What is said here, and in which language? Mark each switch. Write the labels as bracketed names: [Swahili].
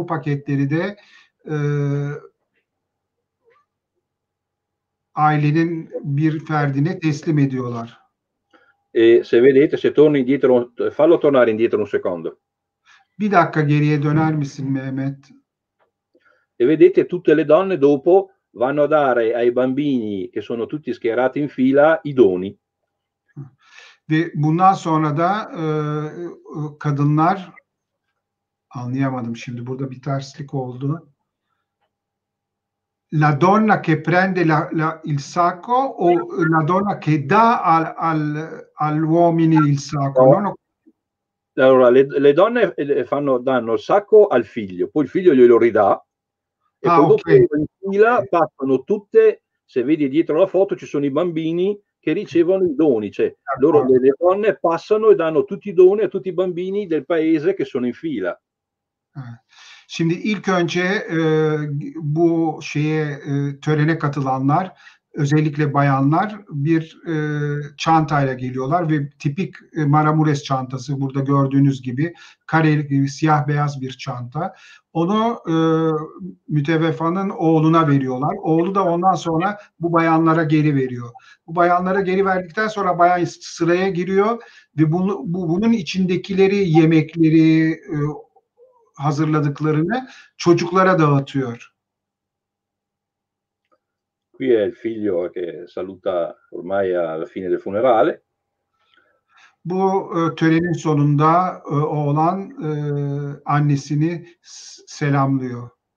[Turkish] Bu paketleri de ailenin bir ferdine teslim ediyorlar. [Italian] Se vedete, se torni indietro, fallo tornare indietro un secondo. [Turkish] Bir dakika, geriye döner misin Mehmet? [Italian] E vedete, tutte le donne dopo vanno a dare ai bambini che sono tutti schierati in fila i doni. [Turkish] Ve bundan sonra da kadınlar, anlayamadım şimdi, burada bir terslik oldu. [Italian] La donna che prende il sacco o la donna che dà all'uomini il sacco? No. No? Allora, le donne danno il sacco al figlio, poi il figlio glielo ridà. E poi dopo in fila passano tutte, se vedi dietro la foto ci sono i bambini che ricevono i doni, cioè loro, le donne passano e danno tutti i doni a tutti i bambini del paese che sono in fila. [Turkish] Şimdi ilk önce bu şeye törene katılanlar, özellikle bayanlar bir çantayla geliyorlar ve tipik Maramures çantası, burada gördüğünüz gibi kareli gibi siyah beyaz bir çanta. Onu mütevefanın oğluna veriyorlar. Oğlu da ondan sonra bu bayanlara geri veriyor. Bu bayanlara geri verdikten sonra bayan sıraya giriyor ve bunun içindekileri, yemekleri, hazırladıklarını çocuklara dağıtıyor. [Italian] Qui è il figlio che saluta ormai alla fine del funerale. [Turkish] Bu törenin sonunda oğlan annesini selamlıyor.